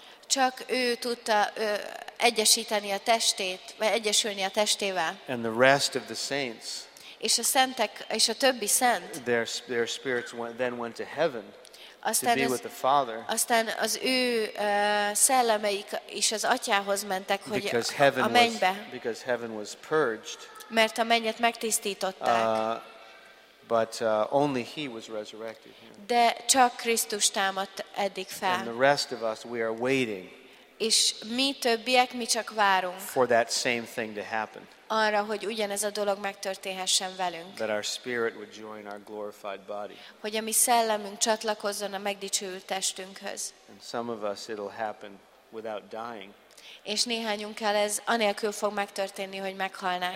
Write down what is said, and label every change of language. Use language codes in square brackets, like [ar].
[hu] Csak ő tudta egyesíteni a testét, vagy egyesülni a testével. [en] And the rest of the saints, [hu] és a szentek, és a többi szent, [en] their spirits then went to heaven to be with the Father. [hu] Aztán az ő szellemeik is az atyához mentek, hogy a mennybe. [en] Because heaven was purged. [hu] Mert a mennyet megtisztították. [en] But only he was resurrected. [hu] De csak Krisztus támadt eddig fel. [en] And the rest of us, we are waiting. [hu] És mi többiek, mi csak várunk. [en] For that same thing to happen. [hu] Arra, hogy ugyanez a dolog megtörténhessen velünk. [en] That our spirit would join our glorified body. [hu] Hogy a mi szellemünk csatlakozzon a megdicsőült testünkhöz. [en] And some of us it'll happen without dying. [hu] És néhányunkkal ez anélkül fog megtörténni, hogy meghalnánk.